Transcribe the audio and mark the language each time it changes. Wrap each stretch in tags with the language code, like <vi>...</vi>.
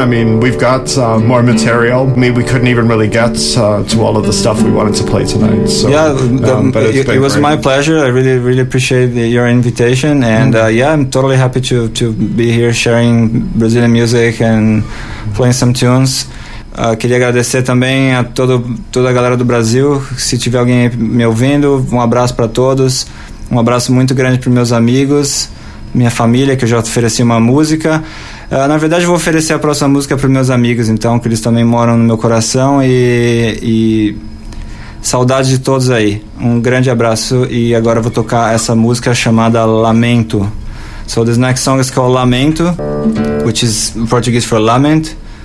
<en>I mean, we've got more material. I mean, we couldn't even really get to all of the stuff we wanted to play tonight. So, yeah, it was great. My pleasure. I really, really appreciate your invitation. And I'm totally happy to be here sharing Brazilian music and playing some tunes.</en> <pt>Queria agradecer também a toda a galera do Brasil. Se tiver alguém me ouvindo, um abraço para todos. Um abraço muito grande para meus amigos, minha família, que eu já ofereci uma música. Na verdade, eu vou oferecer a próxima música para meus amigos, então, que eles também moram no meu coração. E saudade de todos aí. Um grande abraço. E agora eu vou tocar essa música chamada Lamento.</pt> <en>So this next song is called Lamento, which is Portuguese for lament.</en>